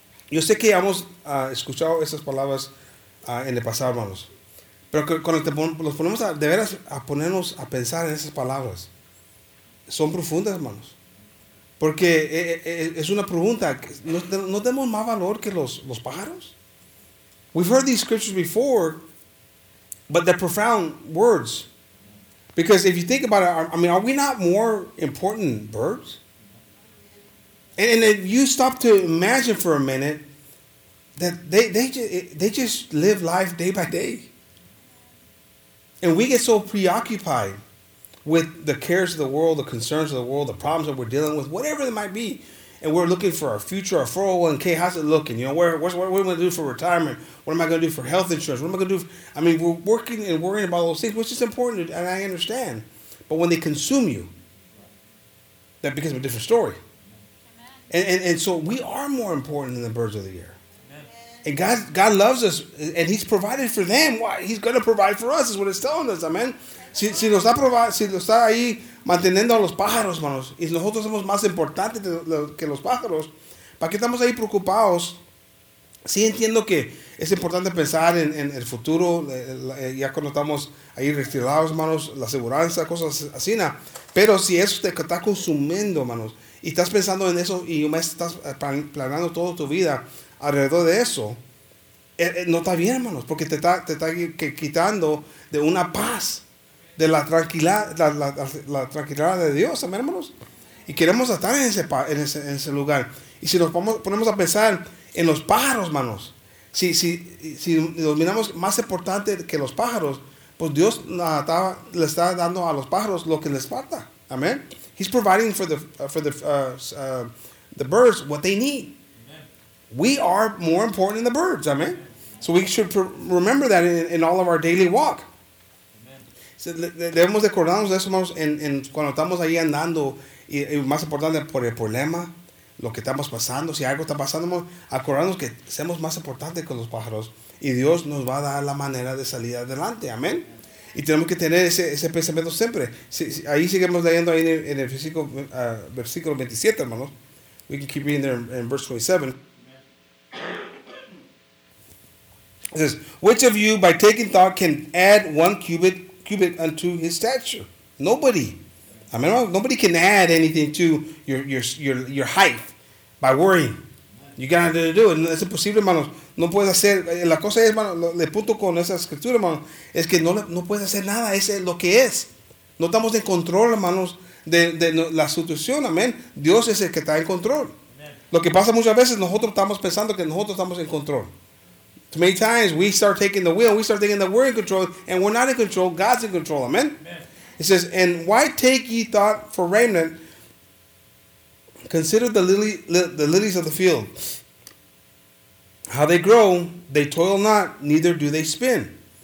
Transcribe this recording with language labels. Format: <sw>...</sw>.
<es>Yo sé que hemos escuchado esas palabras en el pasado, hermanos. Pero cuando los ponemos de veras a ponernos a pensar en esas palabras, son profundas, hermanos. Porque es una pregunta, ¿no tenemos más valor que los pájaros?</es> <en>We've heard these scriptures before, but they're profound words. Because if you think about it, are we not more important birds? And if you stop to imagine for a minute that they just live life day by day. And we get so preoccupied with the cares of the world, the concerns of the world, the problems that we're dealing with, whatever it might be. And we're looking for our future, our 401k, how's it looking? You know, what am I going to do for retirement? What am I going to do for health insurance? What am I going to do? We're working and worrying about all those things, which is important, and I understand. But when they consume you, that becomes a different story. And so we are more important than the birds of the air. And God loves us, and he's provided for them. Why? He's going to provide for us, is what it's telling us, amen?</en> <es>Si nos está ahí manteniendo a los pájaros, hermanos, y nosotros somos más importantes que los pájaros, ¿para qué estamos ahí preocupados? Sí entiendo que es importante pensar en el futuro, ya cuando estamos ahí retirados, hermanos, la seguridad, cosas así, ¿no? Pero si eso te está consumiendo, hermanos, y estás pensando en eso, y estás planeando toda tu vida alrededor de eso, no está bien, hermanos, porque te está quitando de una paz, de la tranquilidad de Dios, amén, hermanos. Y queremos estar en ese lugar. Y si nos ponemos a pensar en los pájaros, hermanos, si nos miramos más importante que los pájaros, pues Dios le está dando a los pájaros lo que les falta, amén.</es> <en>He's providing for the birds what they need. We are more important than the birds, amen? So we should remember that in all of our daily walk.</en> <es>Debemos recordarnos de eso, hermanos, cuando estamos ahí andando, y más importante, por el problema, lo que estamos pasando, si algo está pasando, acordarnos que seamos más importantes que los pájaros y Dios nos va a dar la manera de salir adelante. Amén. Y tenemos que tener ese pensamiento siempre. Si, ahí seguimos leyendo ahí en el versículo 27, hermanos.</es> <en>We can keep reading there in verse 27. It says, which of you by taking thought can add one cubit unto his stature? Nobody. I mean, nobody can add anything to your height by worrying. You got to do it.</en> <es>Es imposible, hermanos. No puedes hacer. La cosa es, hermano, le punto con esa escritura, hermano, es que no puedes hacer nada. Ese es lo que es. No estamos en control, hermanos, de la situación. Amén. Dios es el que está en control. Lo que pasa muchas veces, nosotros estamos pensando que nosotros estamos en control.</es> <en>Too many times we start taking the wheel, we start thinking that we're in control, and we're not in control. God's in control. Amen. It says, and why take ye thought for raiment? Consider the lilies of the field. How they grow, they toil not, neither do they spin.</en>